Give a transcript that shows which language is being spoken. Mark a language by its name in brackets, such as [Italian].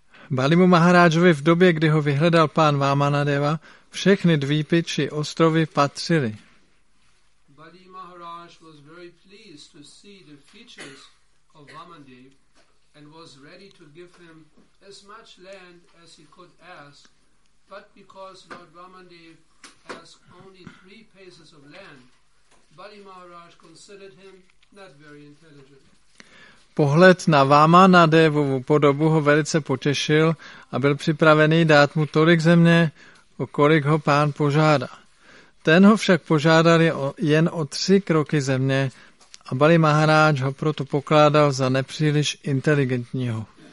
[Czech] Balimu Maharajovi v době, kdy ho vyhledal pán Vámanadeva, všechny dvípy či ostrovy patřily. [English] Bali Maharaj was very pleased to see the features of Vamandev and was ready to give him as much land as he could ask, but because Lord Vamandev asked only 3 paces of land, Bali Maharaj considered him not very intelligent. [Czech] Pohled na Vámanadevovu podobu ho velice potěšil a byl připravený dát mu tolik země, o kolik ho pán požádá. Ten ho však požádal jen o 3 kroky země a Bali Maharaj ho proto pokládal za nepříliš inteligentního.